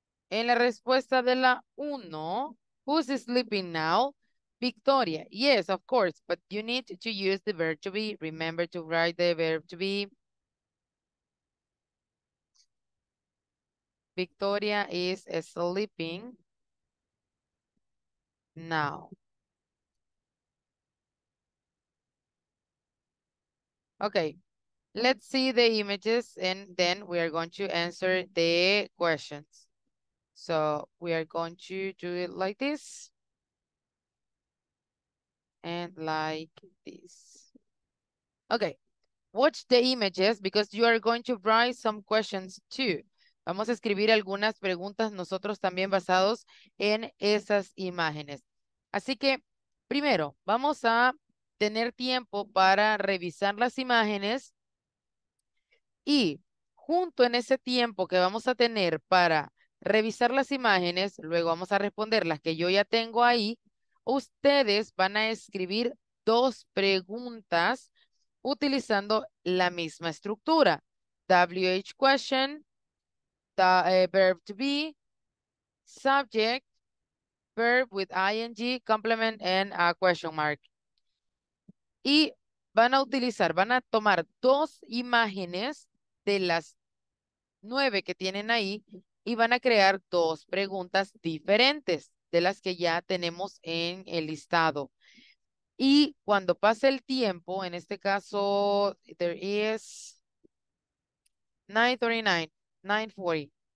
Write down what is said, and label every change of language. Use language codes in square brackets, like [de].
[es] En la respuesta de la uno, [en] who's sleeping now? Victoria. Yes, of course, but you need to use the verb to be. Remember to write the verb to be. Victoria is sleeping now. Okay, let's see the images and then we are going to answer the questions. So we are going to do it like this and like this. Okay, watch the images because you are going to write some questions too. [es] Vamos a escribir algunas preguntas nosotros también basados en esas imágenes. Así que primero vamos a tener tiempo para revisar las imágenes y junto en ese tiempo que vamos a tener para revisar las imágenes, luego vamos a responder las que yo ya tengo ahí. Ustedes van a escribir dos preguntas utilizando la misma estructura. [en] WH question, verb to be, subject, verb with ing, complement, and a question mark. [es] Y van a utilizar, van a tomar dos imágenes de las nueve que tienen ahí y van a crear dos preguntas diferentes de las que ya tenemos en el listado. Y cuando pase el tiempo, en este caso, [en] there is 9:40.